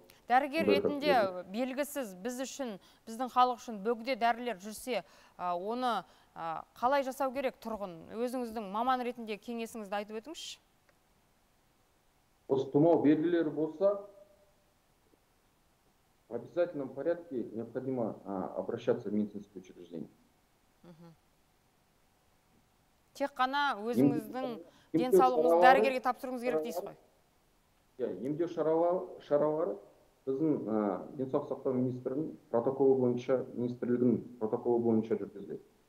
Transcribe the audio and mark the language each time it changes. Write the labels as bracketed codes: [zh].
[kk] дәрігер ретінде белгісіз біз үшін, біздің халық үшін бөгде дәрілер жүрсе, оны қалай жасау керек тұрғын? Өзіңіздің маман ретінде кеңесіңізді айтып өтіңізші. Осы тұмау белгілері болса, [ru] обязательном порядке необходимо обращаться в медицинское учреждение. [kk] Тек қана өзіңіздің денсаулығыңыз дәрігерге тапсыруыңыз керек дейсіз ғой. Емдеу шаралары біздің денсаулық сақтау министрінің протоколы бойынша, министрлігінің протоколы бойынша жүргізіледі.